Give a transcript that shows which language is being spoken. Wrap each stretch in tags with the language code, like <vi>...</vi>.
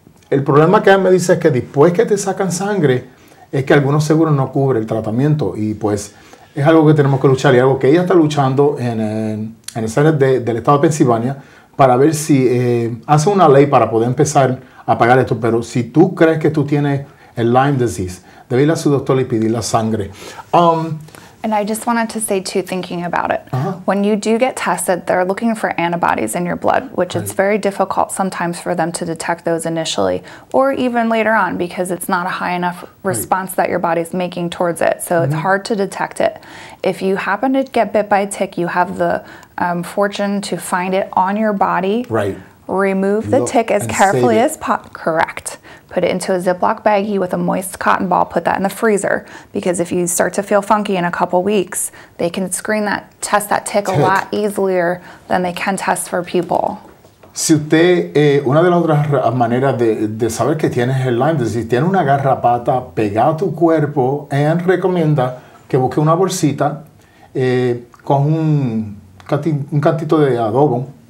<es>El problema que él me dice es que después que te sacan sangre, es que algunos seguros no cubren el tratamiento y pues es algo que tenemos que luchar y algo que ella está luchando en el Senado del estado de Pensilvania para ver si hace una ley para poder empezar a pagar esto. Pero si tú crees que tú tienes el Lyme disease, debe ir a su doctor y pedir la sangre.</es> <en>And I just wanted to say too, thinking about it, when you do get tested, they're looking for antibodies in your blood, which is very difficult sometimes for them to detect those initially, or even later on, because it's not a high enough response that your body's making towards it. So it's hard to detect it. If you happen to get bit by a tick, you have the fortune to find it on your body. Right. Remove the tick as carefully as possible. Correct. Put it into a Ziploc baggie with a moist cotton ball. Put that in the freezer, because if you start to feel funky in a couple weeks, they can screen that, test that tick a lot easier than they can test for pupil.</en> <es>Si usted, una de las otras maneras de saber que tienes el Lyme disease, tiene una garrapata pegada a tu cuerpo, Anne recomienda que busque una bolsita con un cantito de adobo</es>